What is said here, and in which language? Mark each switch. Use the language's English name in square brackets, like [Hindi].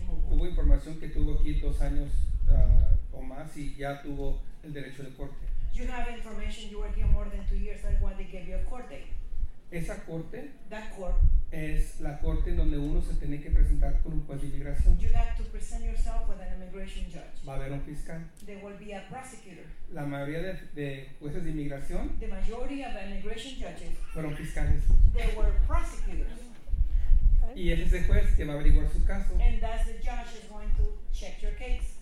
[Spanish] Hubo información que tuvo aquí 2 años o más y ya tuvo el derecho de corte. [English] You have information you were here more than 2 years, that's why they gave you a court date. [Spanish] Esa corte, [English] that court, [Spanish] es la corte en donde uno se tiene que presentar con un juez de inmigración. [English] You have to present yourself with an immigration judge. [Spanish] Va a haber un fiscal. [English] There will be a prosecutor. [Spanish] La mayoría de jueces de inmigración, [English] the majority of immigration judges, [Spanish] fueron fiscales. [English] They were prosecutors. [Spanish] Y es ese juez que va a averiguar su caso. [English] And that's the judge is going to check your case.